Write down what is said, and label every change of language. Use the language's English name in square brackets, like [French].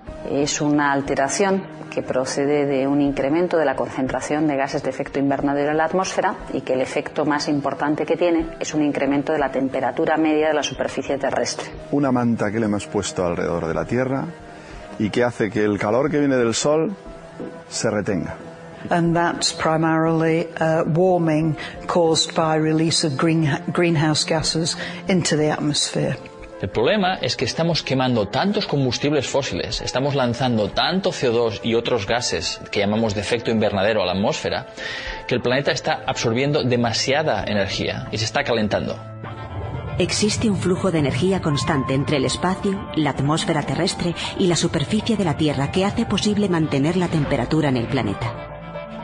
[Spanish] Es una alteración que procede de un incremento de la concentración de gases de efecto invernadero en la atmósfera y que el efecto más importante que tiene es un incremento de la temperatura media de la superficie terrestre. Una manta que le hemos puesto alrededor de la Tierra y que hace que el calor que viene del Sol se retenga. [English] And that's primarily warming caused by release of greenhouse gases into the atmosphere. [Spanish] El problema es que estamos quemando tantos combustibles fósiles, estamos lanzando tanto CO2 y otros gases que llamamos de efecto invernadero a la atmósfera, que el planeta está absorbiendo demasiada energía y se está calentando. Existe un flujo de energía constante entre el espacio, la atmósfera terrestre y la superficie de la Tierra que hace posible mantener la temperatura en el planeta.